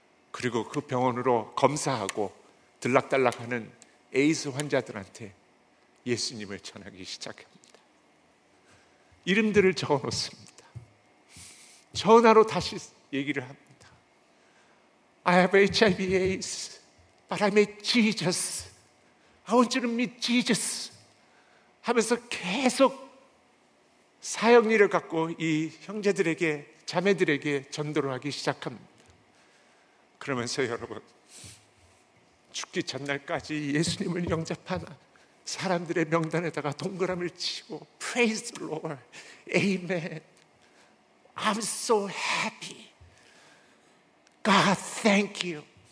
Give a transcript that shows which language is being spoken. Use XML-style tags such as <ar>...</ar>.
<ko>그리고 그 병원으로 검사하고 들락달락하는 AIDS 환자들한테 예수님을 전하기 시작합니다. 이름들을 적어놓습니다. 전화로 다시 얘기를 합니다.</ko> <en>I have HIV AIDS but I met Jesus. I want you to meet Jesus.</en> <ko>하면서 계속 사역리를 갖고 이 형제들에게, 자매들에게 전도를 하기 시작합니다. 그러면서 여러분, 죽기 전날까지 예수님을 영접한 사람들의 명단에다가 동그라미를 치고</ko> <en>Praise the Lord, Amen, I'm so happy, God thank you.</en>